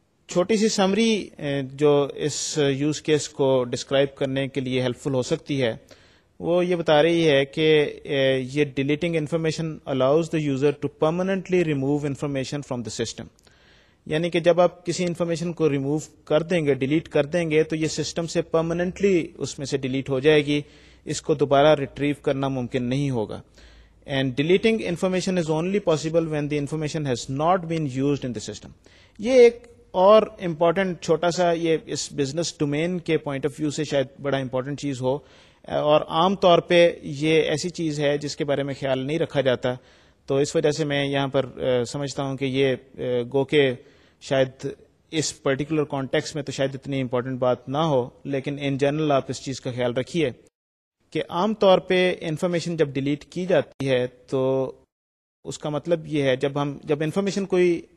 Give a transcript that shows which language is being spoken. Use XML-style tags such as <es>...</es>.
<ur>چھوٹی سی سمری جو اس use case کو ڈسکرائب کرنے کے لیے ہیلپ فل ہو سکتی ہے وہ یہ بتا رہی ہے کہ یہ</ur> <en>Deleting information allows the user to permanently remove information from the system.</en> <ur>یعنی کہ جب آپ کسی انفارمیشن کو ریموو کر دیں گے, ڈیلیٹ کر دیں گے, تو یہ سسٹم سے پرماننٹلی اس میں سے ڈیلیٹ ہو جائے گی, اس کو دوبارہ ریٹریو کرنا ممکن نہیں ہوگا.</ur> <en>And deleting information is only possible when the information has not been used in the system.</en> <ur>یہ ایک اور امپورٹنٹ چھوٹا سا یہ اس بزنس ڈومین کے پوائنٹ آف ویو سے شاید بڑا امپورٹنٹ چیز ہو, اور عام طور پہ یہ ایسی چیز ہے جس کے بارے میں خیال نہیں رکھا جاتا, تو اس وجہ سے میں یہاں پر سمجھتا ہوں کہ یہ گو کے شاید اس پرٹیکولر کانٹیکس میں تو شاید اتنی امپورٹنٹ بات نہ ہو, لیکن ان جنرل آپ اس چیز کا خیال رکھیے کہ عام طور پہ انفارمیشن جب ڈیلیٹ کی جاتی ہے تو اس کا مطلب یہ ہے جب انفارمیشن کوئی</ur>